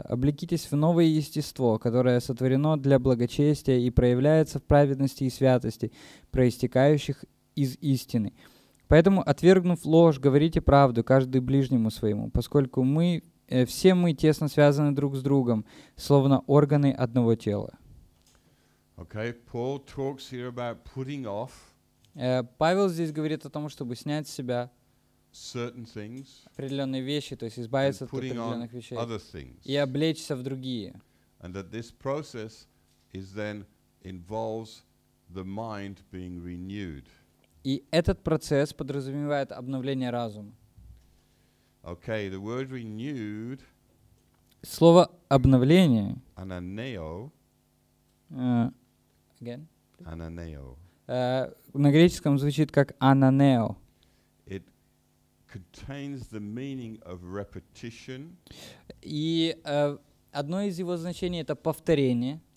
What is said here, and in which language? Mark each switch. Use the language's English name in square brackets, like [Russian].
[Russian] Облекитесь в новое естество, которое сотворено для благочестия и проявляется в праведности и святости, проистекающих из истины. Поэтому, отвергнув ложь, говорите правду каждый ближнему своему, поскольку все мы тесно связаны друг с другом, словно органы одного тела. [English] Okay, Paul talks here about putting off. [Russian] Павел здесь говорит о том, чтобы снять с себя [English] certain things, [Russian] определенные вещи, то есть избавиться от определенных вещей [English] other things, [Russian] и облечься в другие. [English] And that this process is then involves the mind being renewed. [Russian] И этот процесс подразумевает обновление разума. [English] Okay, the word renewed, [Russian] слово обновление, [English] ananeo, again, ananeo. [Russian] На греческом звучит как ананео. [English] It contains the meaning of repetition. [Russian] И одно из его значений — это повторение.